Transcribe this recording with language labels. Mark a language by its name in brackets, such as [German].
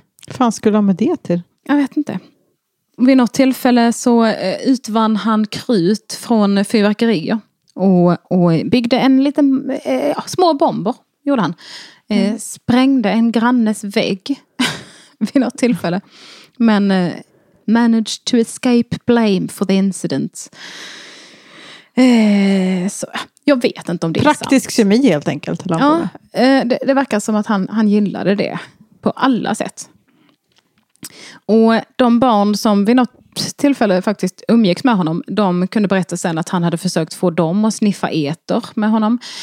[Swedish] Fan skulle han med det till? Jag vet inte. Vid något tillfälle så utvann han krut från fyrverkerier. Och byggde en liten... små bomber, gjorde han. Sprängde en grannes vägg. Vid något tillfälle. Men [English] managed to escape blame for the incident. [Swedish] Så, jag vet inte om det praktisk är sant. Praktisk kemi helt enkelt. Ja, det verkar som att han gillade det. På alla sätt. Och de barn som vid något tillfälle faktiskt umgicks med honom. De kunde berätta sen att han hade försökt få dem att sniffa eter med honom.